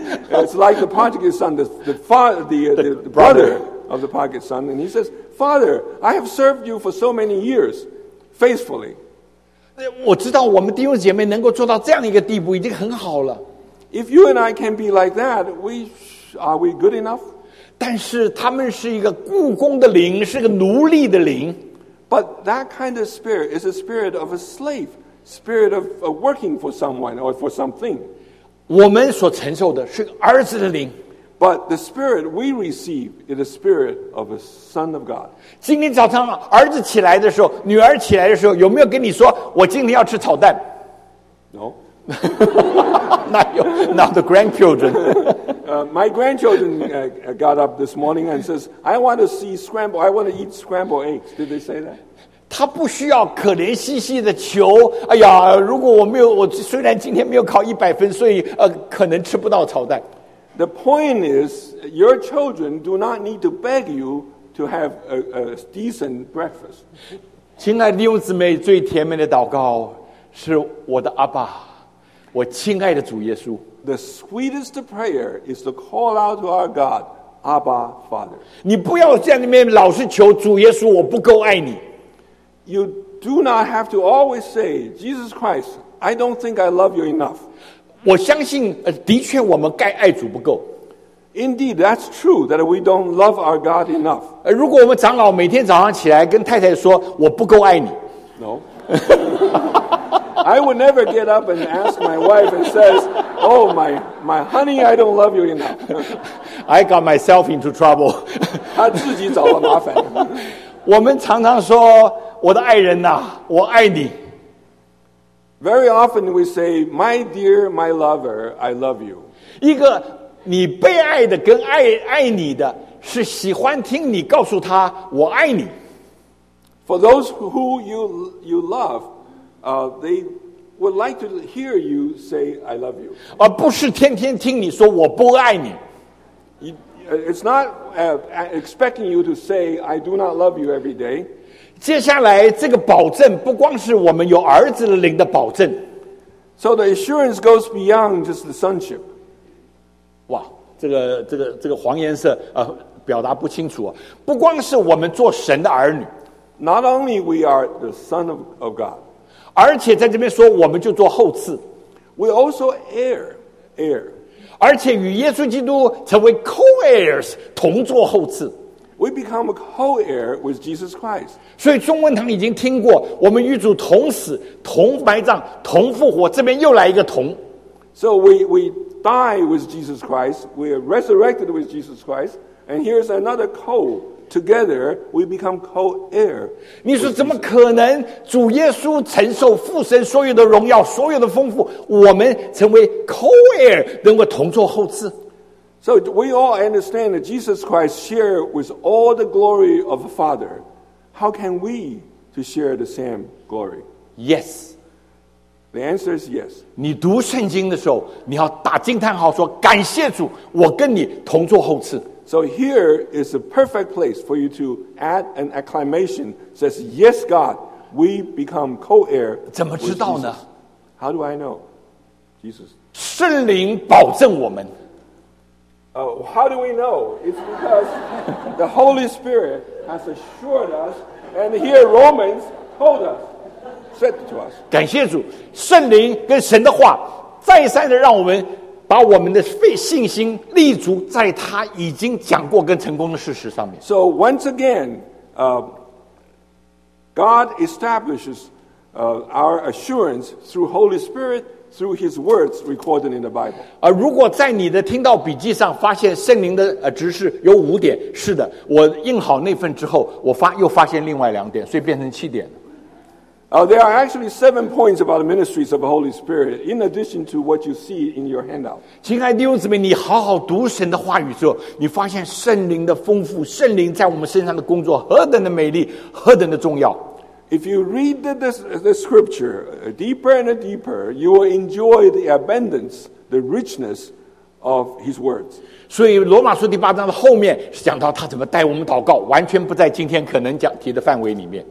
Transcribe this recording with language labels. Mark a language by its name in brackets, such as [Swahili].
[English] It's like the prodigal son, the brother of the prodigal son, and he says, "Father, I have served you for so many years, faithfully." [Chinese] 我知道我们弟兄姐妹能够做到这样一个地步，已经很好了。 [English] If you and I can be like that, are we good enough? [Chinese] 但是他们是一个雇工的灵，是个奴隶的灵。 [English] But that kind of spirit is a spirit of a slave, spirit of working for someone or for something. [Chinese] 我们所承受的是儿子的灵 [English] But the spirit we receive is the spirit of a son of God. [Chinese] 今天早上儿子起来的时候女儿起来的时候有没有跟你说我今天要吃炒蛋 [English] No. not the grandchildren. My grandchildren got up this morning and says, I want to eat scrambled eggs. Did they say that? [Chinese] 他不需要可怜兮兮的求哎呀如果我没有我虽然今天没有考一百分所以可能吃不到炒蛋。 [English] The point is, your children do not need to beg you to have a decent breakfast. [Chinese] 亲爱的弟兄姊妹最甜美的祷告是我的阿爸我亲爱的主耶稣。 [English] The sweetest prayer is to call out to our God, Abba Father. [Chinese] 你不要在那边老是求主耶稣我不够爱你。 [English] You do not have to always say, Jesus Christ, I don't think I love you enough. [Chinese] 我相信的确我们该爱主不够。 [English] Indeed, that's true that we don't love our God enough. [Chinese] 如果我们长老每天早上起来跟太太说我不够爱你。 [English] No. I would never get up and ask my wife and says, oh, my honey, I don't love you enough. I got myself into trouble. [Chinese] 他自己找了麻烦。我们常常说我的爱人啊我爱你 [English] Very often we say My dear, my lover, I love you [Chinese] 一个你被爱的跟爱你的是喜欢听你告诉他我爱你 [English] For those who you love they would like to hear you say I love you [Chinese] 而不是天天听你说我不爱你 [English] It's not expecting you to say I do not love you every day [Chinese] 接下来这个保证不光是我们有儿子的灵的保证 [English] So the assurance goes beyond just the sonship [Chinese] 哇这个黄颜色表达不清楚、啊、不光是我们做神的儿女 [English] Not only we are the son of God [Chinese] 而且在这边说我们就做后嗣 [English] We also heir [Chinese] 而且与耶稣基督成为 co-heirs 同做后嗣 [English] We become a co-heir with Jesus Christ. [Chinese] 所以中文堂已经听过，我们与主同死、同埋葬、同复活。这边又来一个同。 [English] So we die with Jesus Christ. We are resurrected with Jesus Christ. And here's another co. Together we become co-heir. [Chinese] 你说怎么可能？主耶稣承受父神所有的荣耀、所有的丰富，我们成为 co-heir， 能够同坐后嗣。 [English] So we all understand that Jesus Christ shared with all the glory of the Father. How can we to share the same glory? Yes. The answer is yes. [Chinese] 你读圣经的时候，你要打惊叹号说，感谢主，我跟你同坐后嗣。 [English] So here is a perfect place for you to add an acclamation that says, yes, God, we become co-heir with Jesus. [Chinese] 怎么知道呢? [English] How do I know? Jesus. [Chinese] 圣灵保证我们。 [English] How do we know? It's because the Holy Spirit has assured us, and here Romans told us, said to us. [Chinese] 感谢主，圣灵跟神的话再三的让我们把我们的信心立足在他已经讲过跟成功的事实上面。 [English] So once again, God establishes our assurance through Holy Spirit. Through his words recorded in the Bible. [Chinese] 如果在你的听到笔记上发现圣灵的指示有五点，是的，我印好那份之后，我发现另外两点，所以变成七点。 [English] There are actually 7 points about the ministries of the Holy Spirit in addition to what you see in your handout. [Chinese] 亲爱的弟兄姊妹，你好好读神的话语之后，你发现圣灵的丰富，圣灵在我们身上的工作何等的美丽，何等的重要。 [English] If you read the scripture deeper and deeper, you will enjoy the abundance, the richness of his words. [Chinese] 所以罗马书第八章的后面是讲到他怎么带我们祷告，完全不在今天可能讲提的范围里面。